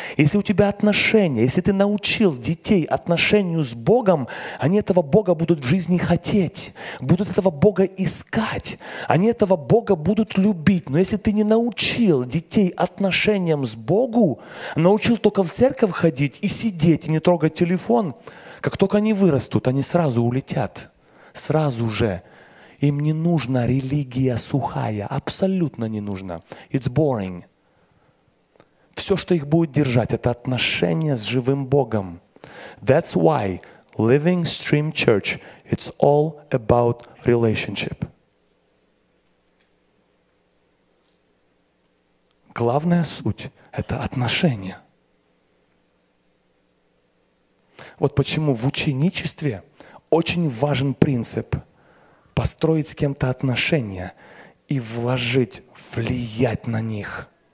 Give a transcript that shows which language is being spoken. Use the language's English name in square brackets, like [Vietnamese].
[Russian] Если у тебя отношения, если ты научил детей отношению с Богом, они этого Бога будут в жизни хотеть, будут этого Бога искать, они этого Бога будут любить. Но если ты не научил детей отношениям с Богом, научил только в церковь ходить и сидеть, и не трогать телефон, как только они вырастут, они сразу улетят, сразу же. Им не нужна религия сухая, абсолютно не нужна. [English] It's boring. [Russian] Все, что их будет держать, это отношения с живым Богом. [English] That's why Living Stream Church, it's all about relationship. [Russian] Главная суть – это отношения. Вот почему в ученичестве очень важен принцип – построить с кем-то отношения и вложить, влиять на них.